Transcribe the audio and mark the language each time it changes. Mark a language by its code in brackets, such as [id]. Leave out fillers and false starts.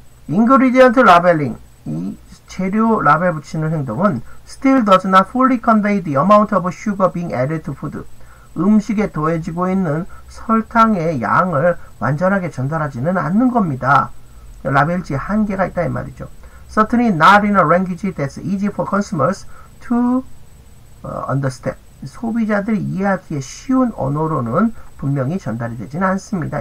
[en] Ingredient labeling, [ko] 이 재료 라벨 붙이는 행동은 [en] still does not fully convey the amount of sugar being added to food. [ko] 음식에 더해지고 있는 설탕의 양을 완전하게 전달하지는 않는 겁니다. 라벨지 한계가 있다 이 말이죠. [en] Certainly not in a language that's easy for consumers to understand. [ko] 소비자들이 이해하기에 쉬운 언어로는 분명히 전달이 되지는 않습니다.